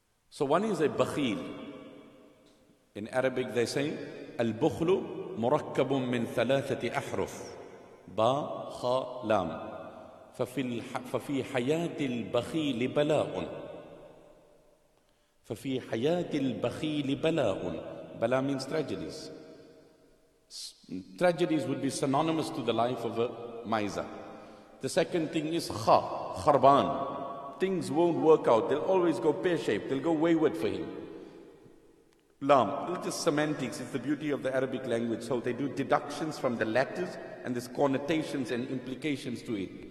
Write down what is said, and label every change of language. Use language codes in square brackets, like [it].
[en] So one is a bakhil. In Arabic they say, [ar] al-bukhlu murakkabun min thalathati ahruf. [en] Ba, kha, lam. [ar] ففي حياة البخيل بلاء ففي حياة البخيل بلاء. [en] بلاء means tragedies. Tragedies would be synonymous to the life of a miser. The second thing is خا, خربان. Things won't work out. They'll always go pear-shaped. They'll go wayward for him. Lam, it's just semantics, it's the beauty of the Arabic language. So they do deductions from the letters and there's connotations and implications to it.